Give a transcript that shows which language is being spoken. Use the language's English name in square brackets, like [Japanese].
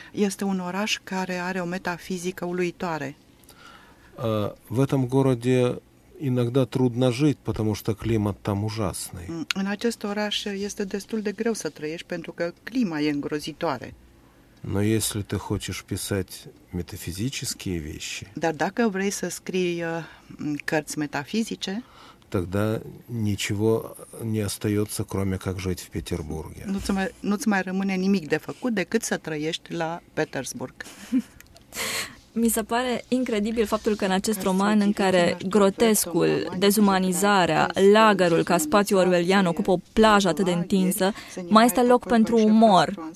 [Romanian] Este un oraș care are o metafizică uluitoare. [Russian] В этом городе иногда трудно жить, потому что климат там ужасный. [Romanian] În acest oraș este destul de greu să trăiești pentru că clima e îngrozitoare. [Russian] Но если ты хочешь писать метафизические вещи. [Romanian] Dar dacă vrei să scrii cărți metafizice, [Russian] тогда ничего не остается, кроме как жить в Петербурге. [Romanian] Nu-ți mai rămâne nimic de făcut decât să trăiești la Petersburg. Mi se pare incredibil faptul că în acest roman, în care grotescul, dezumanizarea, lagărul ca spațiu orwellian ocupă o plajă atât de întinsă, mai este loc pentru umor.